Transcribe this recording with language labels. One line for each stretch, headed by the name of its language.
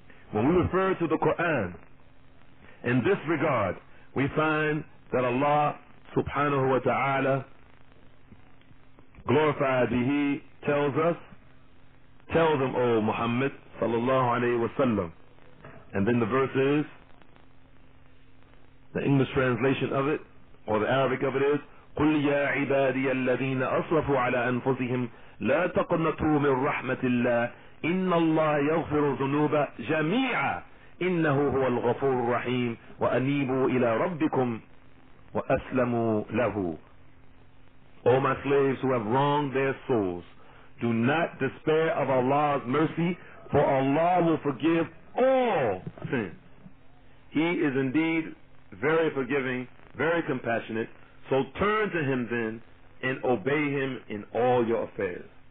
English: When we refer to the Qur'an in this regard, we find that Allah subhanahu wa ta'ala, glorified be He, tells us, tell them, O Muhammad sallallahu alayhi wa sallam. And then the verse is, the English translation of it, or the Arabic of it is,
Arabic: قُلْ يَا عِبَادِيَ الَّذِينَ أَصْرَفُوا عَلَىٰ أَنفُسِهِمْ لَا تَقْنَطُوا مِنْ رَحْمَةِ اللَّهِ إِنَّ اللَّهَ يَغْفِرُ ذُنُوبَ جَمِيعًا إِنَّهُ هُوَ الْغَفُورُ الرَّحِيمُ وَأَنِيبُوا إِلَىٰ رَبِّكُمْ وَأَسْلَمُوا لَهُ.
English: O my slaves who have wronged their souls, do not despair of Allah's mercy, for Allah will forgive all sins. He is indeed very forgiving, very compassionate. So turn to Him then and obey Him in all your affairs.